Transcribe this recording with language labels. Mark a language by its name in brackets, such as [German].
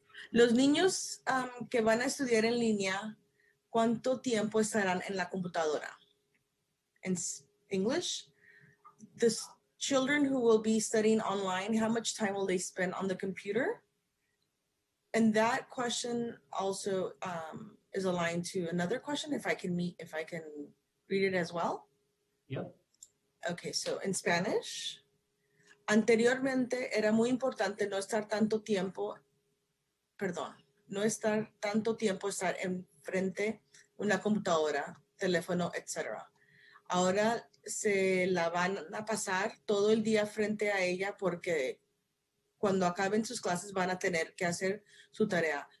[Spanish] Los niños que van a estudiar en línea, ¿cuánto tiempo estarán en la computadora? [English] In English, the children who will be studying online, how much time will they spend on the computer? And that question also is aligned to another question, if I can read it as well. Yep. Okay, so in Spanish, [Spanish] anteriormente era muy importante no estar tanto tiempo estar en frente una computadora, teléfono, etc. Ahora se la van a pasar todo el día frente a ella porque cuando acaben sus clases van a tener que hacer su tarea.